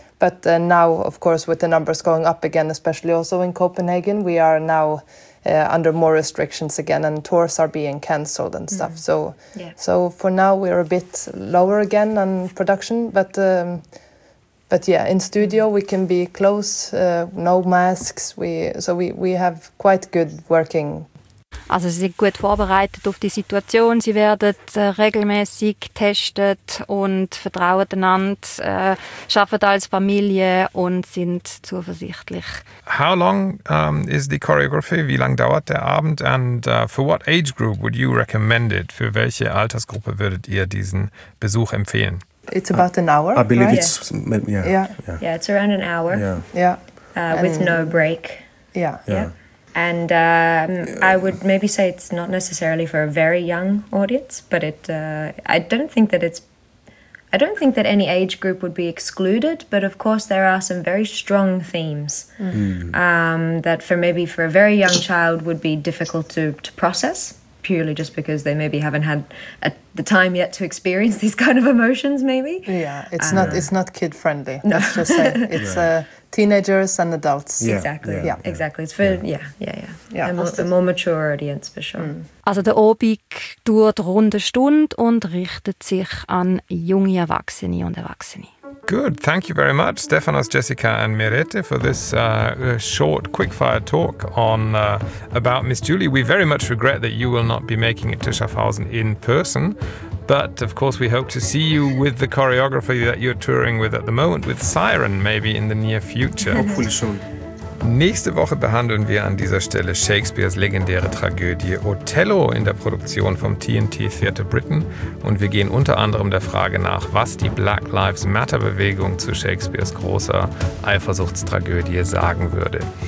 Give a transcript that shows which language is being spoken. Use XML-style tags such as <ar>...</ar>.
<en>But now, of course, with the numbers going up again, especially also in Copenhagen, we are now under more restrictions again, and tours are being cancelled and stuff. Mm. So, yeah. So for now, we're a bit lower again on production. But yeah, in studio, we can be close, no masks. So we have quite good working.</en> <de>Also sie sind gut vorbereitet auf die Situation, sie werden regelmäßig getestet und vertrauen einander, arbeiten als Familie und sind zuversichtlich.</de> <en>How long is the choreography?</en> <de>Wie lange dauert der Abend?</de> <en>And for what age group would you recommend it?</en> <de>Für welche Altersgruppe würdet ihr diesen Besuch empfehlen?</de> <en>It's about an hour. I believe right? It's yeah, it's around an hour. Yeah. With no break. Yeah. And I would maybe say it's not necessarily for a very young audience, but I don't think that any age group would be excluded, but of course there are some very strong themes that for a very young child would be difficult to process, purely just because they maybe haven't had the time yet to experience these kind of emotions, maybe. Yeah, it's not kid-friendly, no. Let's just say. It's a... Teenagers and adults. Yeah, exactly. It's for, a more mature audience, for sure. Mm.</en> <de>Also der Obig dauert rund eine Stunde und richtet sich an junge Erwachsene und Erwachsene.</de> <en>Good, thank you very much, Stefanos, Jessica and Merete, for this short quickfire talk on about Miss Julie. We very much regret that you will not be making it to Schaffhausen in person. But, of course, we hope to see you with the choreography that you're touring with at the moment, with Siren, maybe in the near future. Hopefully soon.</en> <de>Nächste Woche behandeln wir an dieser Stelle Shakespeares legendäre Tragödie Othello in der Produktion vom TNT Theatre Britain. Und wir gehen unter anderem der Frage nach, was die Black Lives Matter Bewegung zu Shakespeares großer Eifersuchtstragödie sagen würde.</de>